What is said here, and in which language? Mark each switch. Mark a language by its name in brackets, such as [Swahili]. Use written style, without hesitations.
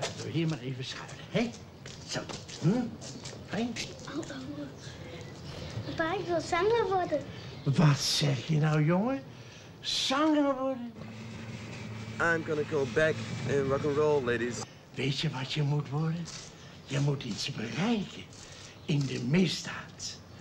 [Dutch] Hier maar even schuilen, hè? Zo. Fijn. Papa, ik wil zanger worden. Wat zeg je nou, jongen? Zanger worden? [English] I'm gonna go back in rock and roll, ladies. [Dutch] Weet je wat je moet worden? Je moet iets bereiken in de misdaad.